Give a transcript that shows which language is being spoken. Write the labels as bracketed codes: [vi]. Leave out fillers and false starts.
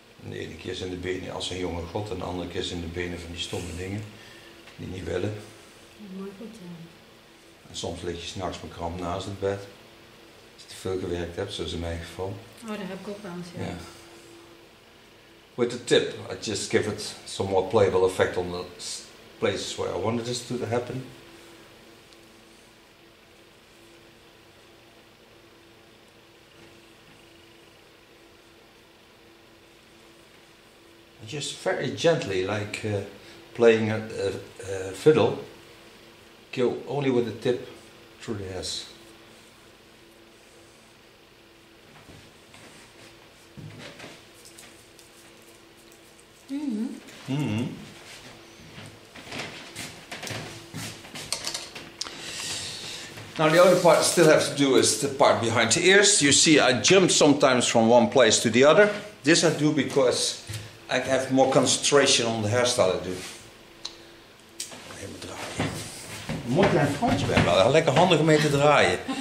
[nl] De ene keer zijn de benen als een jonge god en de andere keer zijn de benen van die stomme dingen die niet willen. Mooi goed, ja. En soms lig je 's nachts met kramp naast het bed. Als je te veel gewerkt hebt, zoals in mijn geval. Oh, dat heb ik ook wel eens, ja. [en] With the tip, I just give it some more playable effect on the places where I wanted this to happen. Just very gently, like playing a fiddle, go only with the tip through the hairs. Mm-hmm. Mm-hmm. Now the only part I still have to do is the part behind the ears. You see I jump sometimes from one place to the other. This I do because I have more concentration on the hairstyle I do. [nl] Mooi klein frontje ben wel, lekker handig om mee te draaien.